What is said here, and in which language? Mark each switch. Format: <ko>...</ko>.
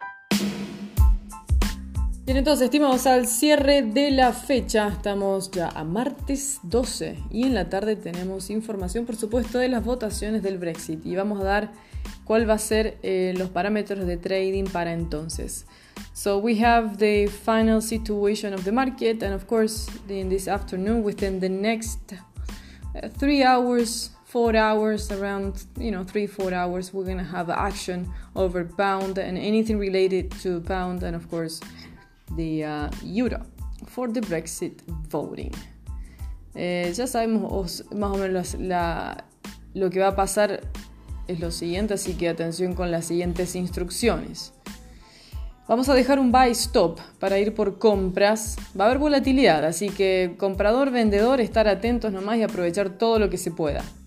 <es>Bien, entonces, estimados, al cierre de la fecha, estamos ya a martes 12 y en la tarde tenemos información, por supuesto, de las votaciones del Brexit y vamos a dar cuál va a ser los parámetros de trading para entonces.</es> <en>So we have the final situation of the market and of course in this afternoon within the next 3 hours, 4 hours, around, you know, 3-4 hours, we're going to have action over pound and anything related to pound and of course the euro for the Brexit voting.</en> <es>Ya sabemos más o menos lo que va a pasar es lo siguiente, así que atención con las siguientes instrucciones. Vamos a dejar un buy stop para ir por compras. Va a haber volatilidad, así que comprador, vendedor, estar atentos nomás y aprovechar todo lo que se pueda.</es>